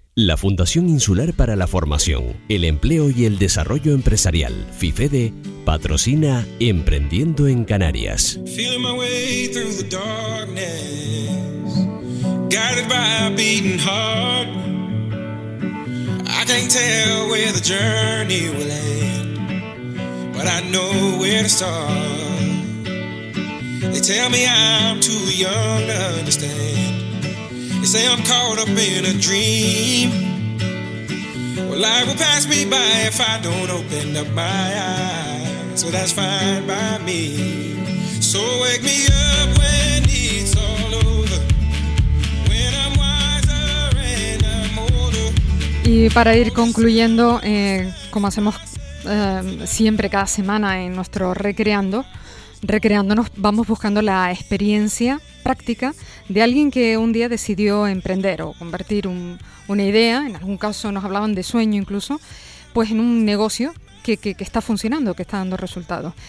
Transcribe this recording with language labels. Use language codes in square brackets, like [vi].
[es] La Fundación Insular para la Formación, el Empleo y el Desarrollo Empresarial, FIFEDE, patrocina Emprendiendo en Canarias. [en] Feeling my way through the darkness, guided by a beating heart. I can't tell where the journey will end, but I know where to start. They tell me I'm too young to understand. They say I'm caught up in a dream. Well, life will pass me by if I don't open up my eyes. Well, that's fine by me. So wake me up when it's all over, when I'm wiser and I'm older. [es] Y para ir concluyendo, como hacemos siempre cada semana en nuestro Recreándonos, vamos buscando la experiencia práctica de alguien que un día decidió emprender o convertir una idea, en algún caso nos hablaban de sueño incluso, pues en un negocio que está funcionando, que está dando resultados.